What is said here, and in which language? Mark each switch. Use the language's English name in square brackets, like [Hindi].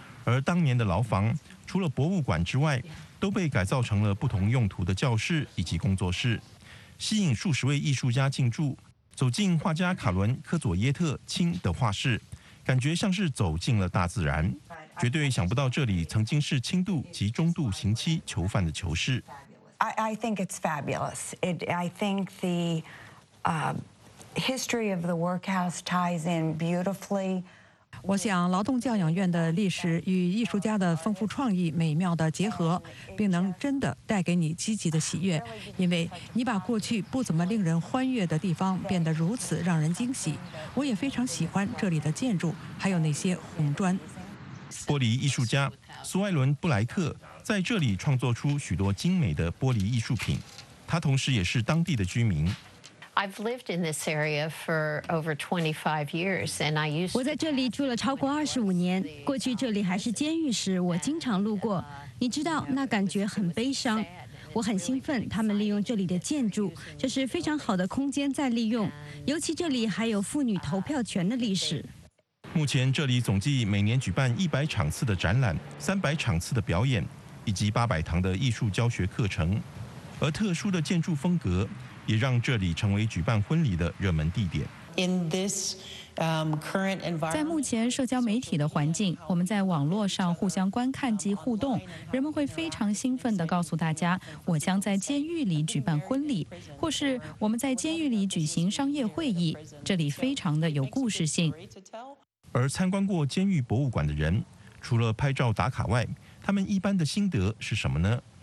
[Chinese] 而当年的牢房除了博物馆之外，都被改造成了不同用途的教室以及工作室，吸引数十位艺术家进驻。走进画家卡伦·科佐耶特清的画室，感觉像是走进了大自然。绝对想不到这里曾经是轻度及中度刑期囚犯的囚室。 [English] I think it's fabulous. I think the history of the workhouse ties in beautifully. [Chinese] 我想劳动教养院的历史与艺术家的丰富创意美妙的结合，并能真的带给你积极的喜悦，因为你把过去不怎么令人欢悦的地方变得如此让人惊喜。我也非常喜欢这里的建筑，还有那些红砖。玻璃艺术家苏艾伦·布莱克在这里创作出许多精美的玻璃艺术品，他同时也是当地的居民。我在这里住了超过25年，过去这里还是监狱时我经常路过，你知道那感觉很悲伤。我很兴奋他们利用这里的建筑，这是非常好的空间再利用，尤其这里还有妇女投票权的历史。目前这里总计每年举办100场次的展览、300场次的表演，以及800堂的艺术教学课程，而特殊的建筑风格也让这里成为举办婚礼的热门地点。 [English] In this current environment, [Chinese] 在目前社交媒体的环境，我们在网络上互相观看及互动，人们会非常兴奋地告诉大家，我将在监狱里举办婚礼，或是我们在监狱里举行商业会议。这里非常的有故事性。而参观过监狱博物馆的人，除了拍照打卡外，他们一般的心得是什么呢？